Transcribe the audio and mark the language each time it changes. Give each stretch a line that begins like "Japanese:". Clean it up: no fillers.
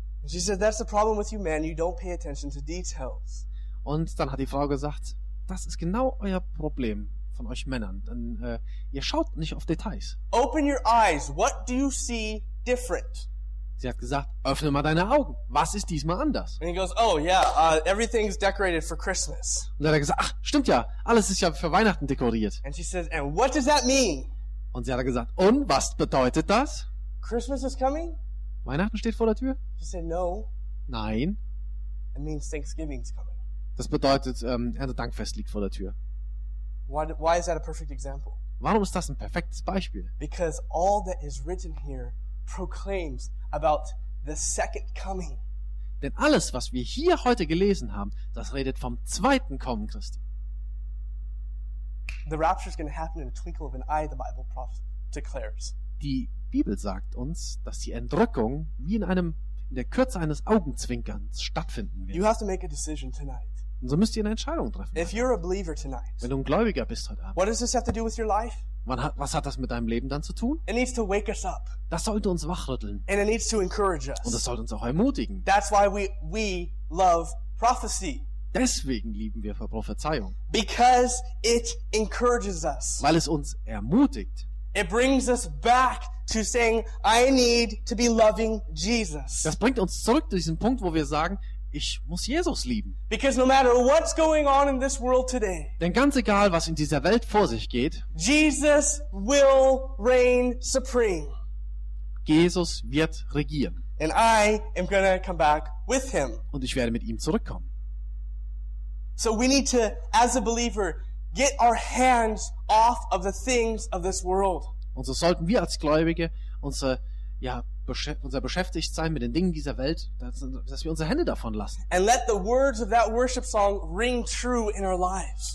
English: She said, that's the problem with you, man. You don't pay attention to details.
German: Und dann hat die Frau gesagt, das ist genau euer Problem von euch Männern. Denn, ihr schaut nicht auf Details.
English: Open your eyes. What do you see different?
German: Sie hat gesagt, öffne mal deine Augen. Was ist diesmal anders?
English: And he goes, oh yeah, everything's decorated for Christmas.
German: Und dann hat er gesagt, ach, stimmt ja, alles ist ja für Weihnachten dekoriert.
English: And she says, and what does that mean?
German: Und sie hat gesagt, und was bedeutet das?
English: Christmas is coming?
German: Weihnachten steht vor der Tür?
English: She said, no.
German: Nein.
English: It means Thanksgiving's coming.
German: Das bedeutet, Erntedankfest liegt vor der Tür.
English: Why is that a perfect example?
German: Warum ist das ein perfektes Beispiel?
English: Because all that is written here proclaims about the second coming.
German: Denn alles, was wir hier heute gelesen haben, das redet vom zweiten Kommen Christi.
English: The rapture is going to happen in a twinkle of an eye, the Bible prophet declares.
German: Die Bibel sagt uns, dass die Entrückung wie in der Kürze eines Augenzwinkerns stattfinden wird.
English: You have to make a decision tonight.
German: Und so müsst ihr eine Entscheidung treffen.
English: If you're a believer tonight,
German: wenn du ein Gläubiger bist heute Abend,
English: what does this have to do with your life?
German: Was hat das mit deinem Leben dann zu tun?
English: It needs to wake us up.
German: Das sollte uns wachrütteln.
English: And it needs to encourage us.
German: Und das sollte uns auch ermutigen.
English: That's why we love prophecy.
German: Deswegen lieben wir für Prophezeiung.
English: Because it encourages us.
German: Weil es uns ermutigt.
English: It brings us back to saying, I need to be loving Jesus.
German: Das bringt uns zurück zu diesem Punkt, wo wir sagen, ich muss Jesus lieben.
English: Because no matter what's going on in this world today,
German: denn ganz egal, was in dieser Welt vor sich geht,
English: Jesus will reign supreme.
German: Jesus wird regieren.
English: And I am gonna come back with him.
German: Und ich werde mit ihm zurückkommen.
English: So we need to, as a believer, get our hands off of the things of this world.
German: Und so sollten wir als Gläubige unser beschäftigt sein mit den Dingen dieser Welt, dass wir unsere Hände davon lassen.
English: And let the words of that worship song ring true in our lives.